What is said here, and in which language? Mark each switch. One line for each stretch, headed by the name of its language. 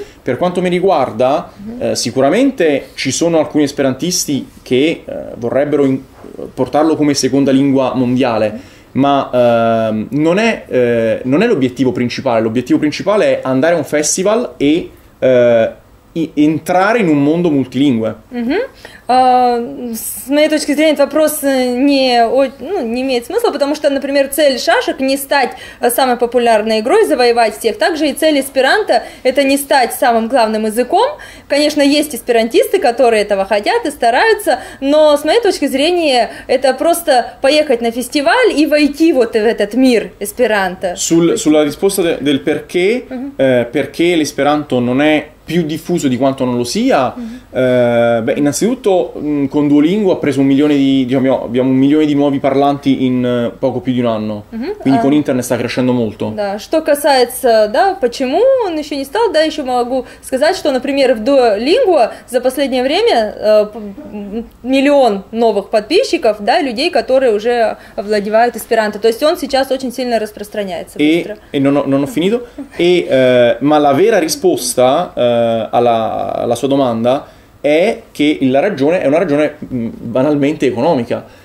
Italian: Per quanto mi riguarda, sicuramente ci sono alcuni esperantisti che vorrebbero portarlo come seconda lingua mondiale, ma non è l'obiettivo principale. L'obiettivo principale è andare a un festival e entrare in un mondo multilingue.
Russian: С моей точки зрения, этот вопрос не имеет смысла, потому что, например, цель шашек не стать самой популярной игрой, завоевать всех. Также и цель эсперанто – это не стать самым главным языком. Конечно, есть эсперантисты, которые этого хотят и стараются, но с моей точки зрения, это просто поехать на фестиваль и войти вот в этот мир эсперанто.
Italian: Sulla risposta del perché, perché l'esperanto non è più diffuso di quanto non lo sia? Beh, innanzitutto con Duolingo ha preso un milione di, diciamo, abbiamo un milione di nuovi parlanti in poco più di un anno. Quindi con internet sta crescendo molto.
Russian: Да, что касается, да, почему он еще не стал, да, еще могу сказать, что, например, в Duolingo за последнее время миллион новых подписчиков, да, людей, которые уже овладевают эсперанто. То есть он сейчас очень сильно распространяется.
Italian: E non ho finito. E ma la vera risposta alla sua domanda è che la ragione è una ragione banalmente economica.